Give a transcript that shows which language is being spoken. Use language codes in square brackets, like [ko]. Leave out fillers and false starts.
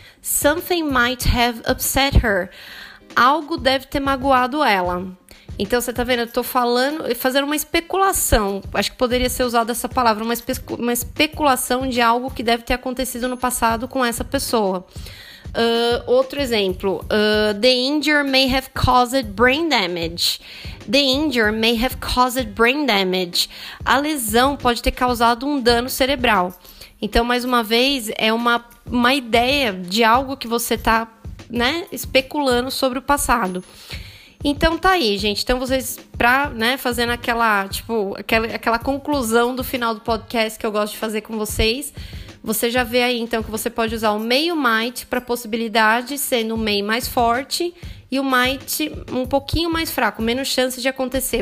[en] Something might have upset her. [pt] Algo deve ter magoado ela. Então, você tá vendo? Eu tô falando, fazendo uma especulação. Acho que poderia ser usada essa palavra. Uma especulação de algo que deve ter acontecido no passado com essa pessoa. Outro exemplo. [en] The injury may have caused brain damage. The injury may have caused brain damage. [pt] A lesão pode ter causado um dano cerebral. Então, mais uma vez, é uma ideia de algo que você está, né, especulando sobre o passado. Então, tá aí, gente. Então, vocês, pra, né, fazendo aquela conclusão do final do podcast que eu gosto de fazer com vocês, você já vê aí, então, que você pode usar o may e o might para possibilidade, sendo o may mais forte e o might um pouquinho mais fraco, menos chance de acontecer.